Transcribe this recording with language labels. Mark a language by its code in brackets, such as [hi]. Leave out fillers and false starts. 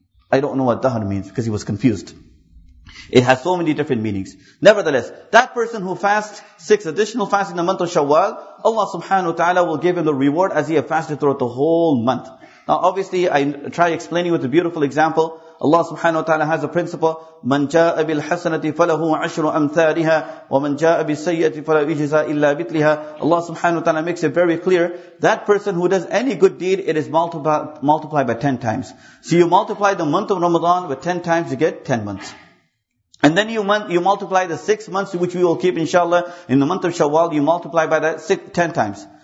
[en] I don't know what dahar means, because he was confused. It has so many different meanings. Nevertheless, that person who fasts six additional fasts in the month of Shawwal, Allah subhanahu wa ta'ala will give him the reward as he has fasted throughout the whole month. Now obviously, I try explaining with a beautiful example. Allah subhanahu wa ta'ala has a principle, [ar] مَنْ جَاءَ بِالْحَسَنَةِ فَلَهُ عَشْرُ أَمْثَالِهَا وَمَنْ جَاءَ بِالسَّيِّئَةِ فَلَا يُجْزَى إِلَّا بِتْلِهَا. [en] Allah subhanahu wa ta'ala makes it very clear, that person who does any good deed, it is multiplied by 10 times. So you multiply the month of Ramadan with 10 times, you get 10 months. And then you multiply the 6 months which we will keep inshallah in the month of Shawwal, you multiply by that 10 times.